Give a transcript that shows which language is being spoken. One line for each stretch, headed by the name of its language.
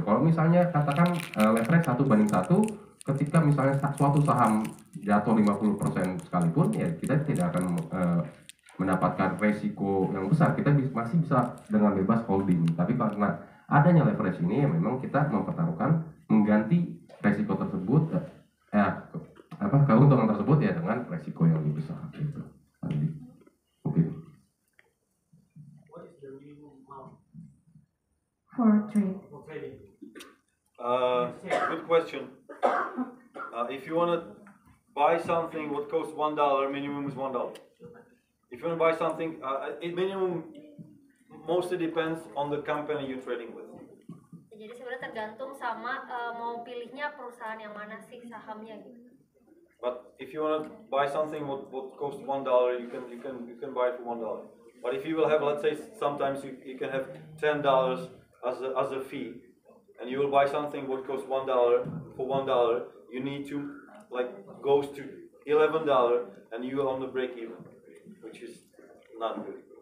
Indonesian: Kalau misalnya katakan leverage 1:1, ketika misalnya suatu saham jatuh 50% sekalipun, ya kita tidak akan mendapatkan resiko yang besar. Kita masih bisa dengan bebas holding. Tapi karena adanya leverage ini, ya memang kita mempertaruhkan mengganti resiko tersebut. Keuntungan tersebut ya dengan resiko yang lebih besar gitu. Oke.
English: What is the minimum amount for trading? Good question. If you want to buy something what costs $1, minimum is $1. If you want to buy something, minimum mostly depends on the company you're trading with.
Indonesian: Jadi sebenarnya tergantung sama mau pilihnya perusahaan yang mana sih sahamnya gitu.
English: But if you want to buy something what costs $1, you can buy it for $1. But if you will have, let's say, sometimes you can have $10 as a fee, and you will buy something what costs $1 for $1, you need to like goes to $11 and you are on the break even, which is not good.